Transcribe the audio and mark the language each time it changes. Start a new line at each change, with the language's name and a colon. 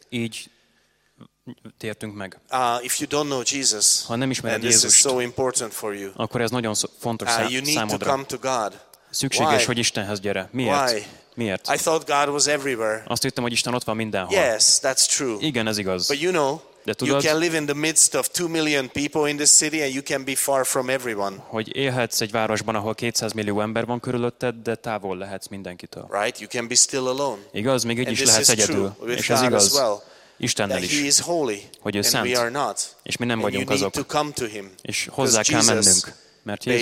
Hungarian: Így tértünk meg.
English: If you don't know Jesus,
Hungarian: ha nem ismered
English: this
Hungarian: Jézust,
English: is so important for you.
Hungarian: Akkor ez nagyon fontos számodra.
English: You need to come to God.
Hungarian: Szükséges,
English: Why?
Hungarian: Hogy Istenhez gyere. Miért?
English: I thought God was everywhere.
Hungarian: Azt hittem, hogy Isten ott van mindenhol.
English: Yes, that's true.
Hungarian: Igen, ez igaz.
English: But you know,
Hungarian: de tudod,
English: you can live in the midst of 2 million people in this city, and you can be far from everyone.
Hungarian: Hogy élhetsz egy városban, ahol 200 millió ember van körülötted, de távol lehetsz mindenkitől.
English: Right? You can be still alone.
Hungarian: Igaz, még így
English: and
Hungarian: is lehetsz egyedül. És ez igaz.
English: Well.
Hungarian: Istennel is,
English: that he is holy,
Hungarian: hogy ő
English: and
Hungarian: szent,
English: we are not.
Hungarian: És mi nem
English: and
Hungarian: vagyunk azok.
English: To come to him,
Hungarian: és hozzá kell mennünk, mert Jézus